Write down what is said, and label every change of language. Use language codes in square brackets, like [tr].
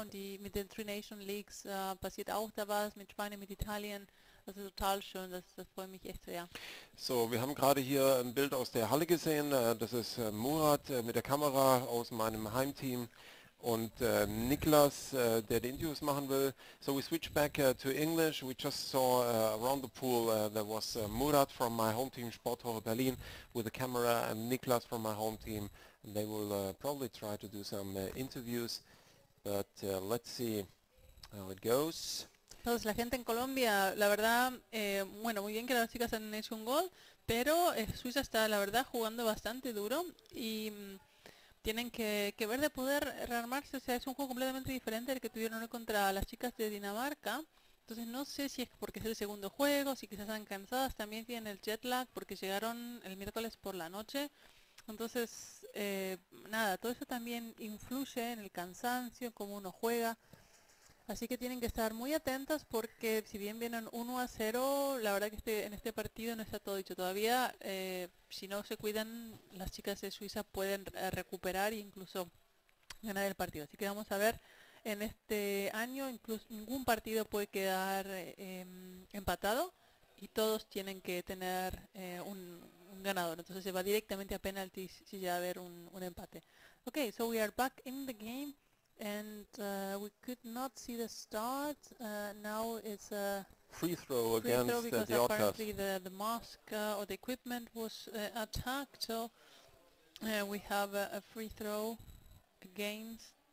[de] Und die mit den Three Nation Leagues passiert auch da was, mit Spanien, mit Italien. Das ist total schön, das freut mich echt sehr. So, wir haben gerade hier ein Bild aus der Halle gesehen. Das ist Murat mit der Kamera aus meinem Heimteam und Niklas, der die Interviews machen will. [en] So we switch back to English. We just saw around the pool there was Murat from my home team, Sporthalle Berlin, with the camera, and Niklas from my home team. And they will probably try to do some interviews, but let's see how it goes. [es] Entonces, la gente en Colombia, la verdad, bueno, muy bien que las chicas han hecho un gol, pero Suiza está, la verdad, jugando bastante duro y tienen que ver de poder rearmarse. O sea, es un juego completamente diferente al que tuvieron contra las chicas de Dinamarca. Entonces no sé si es porque es el segundo juego, si quizás están cansadas, también tienen el jet lag porque llegaron el miércoles por la noche. Entonces, nada, todo eso también influye en el cansancio, en cómo uno juega. Así que tienen que estar muy atentas porque si bien vienen 1-0, la verdad que en este partido no está todo dicho todavía. Si no se cuidan, las chicas de Suiza pueden recuperar e incluso ganar el partido. Así que vamos a ver, en este año incluso ningún partido puede quedar empatado y todos tienen que tener un ganador. Entonces se va directamente a penaltis si llega a haber un empate. [en] Okay, so we are back in the game. And we could not see the start. Now it's a free throw against free throw the Orcas. Apparently the mask or the equipment was attacked, so we have a free throw against